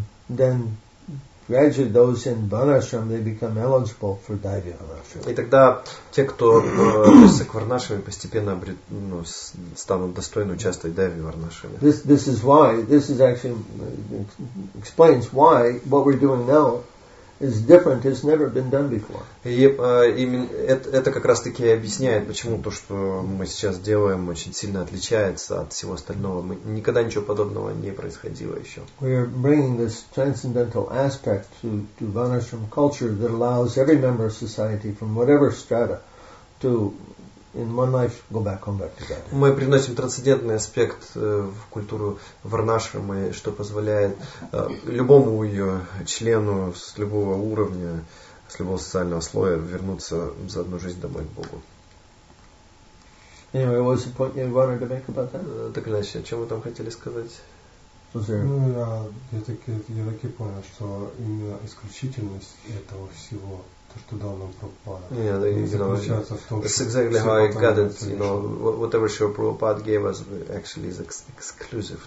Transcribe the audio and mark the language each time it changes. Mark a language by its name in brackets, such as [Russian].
[English] Then gradually those in Varnashram they become eligible for Daivi Varnashram. [Russian] И тогда те, кто относится к Варнашраме, постепенно станут достойны участвовать в Даиви Варнашраме. [English] This explains why what we're doing now is different, has never been done before. [Russian] Это как раз таки объясняет, почему то, что мы сейчас делаем, очень сильно отличается от всего остального. Мы никогда ничего подобного не происходило еще. [English] We are bringing this transcendental aspect to Varnashram culture that allows every member of society from whatever strata to in one life go back home back to God. [Russian] Мы приносим трансцендентный аспект в культуру Варнашрамы, что позволяет любому ее члену с любого уровня, с любого социального слоя вернуться за одну жизнь домой к Богу. [English] Anyway, what was the point you wanted to make about that? [Russian] Так иначе, о чем вы там хотели сказать? Я так понял, что именно исключительность этого всего, [English] whatever Srila Prabhupada gave us actually is exclusive.